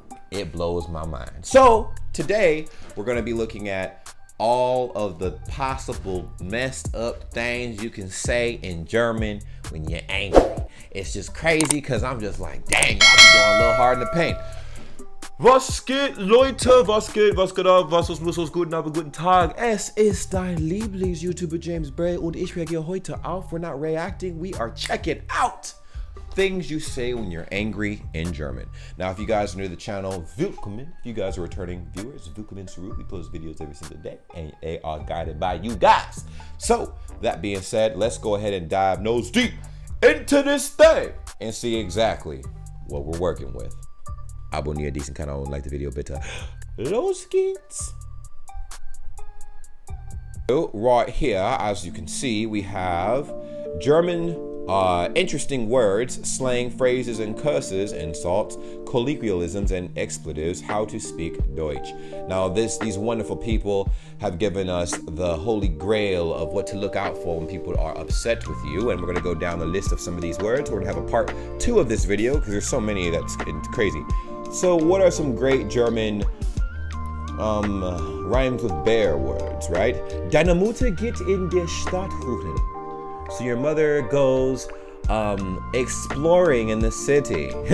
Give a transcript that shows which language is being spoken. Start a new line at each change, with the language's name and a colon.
English: It blows my mind. So today we're going to be looking at all of the possible messed up things you can say in German when you're angry. It's just crazy because I'm just like, dang, I'm going a little hard in the paint.
German: Was geht, Leute? Was geht? Was geht ab? Was ist los? Was guten Abend? Guten Tag. Es ist dein Lieblings-YouTuber James Bray und ich reagiere heute auf.
English: We're not reacting. We are checking out things you say when you're angry in German. Now, if you guys are new to the channel,
German: willkommen.
English: If you guys are returning viewers,
German: willkommen zurück.
English: We post videos every single day and they are guided by you guys. So, that being said, let's go ahead and dive nose deep into this thing and see exactly what we're working with.
German: Abonniere diesen Kanal und
English: like the video
German: bitte. Los geht's!
English: So right here, as you can see, we have German interesting words, slang, phrases and curses, insults, colloquialisms and expletives, how to speak Deutsch. Now these wonderful people have given us the holy grail of what to look out for when people are upset with you, and we're gonna go down the list of some of these words. We're gonna have a part two of this video because there's so many that's crazy. So what are some great German rhymes with bear words, right?
German: Deine Mutter geht in der Stadt hurren.
English: So your mother goes exploring in the city.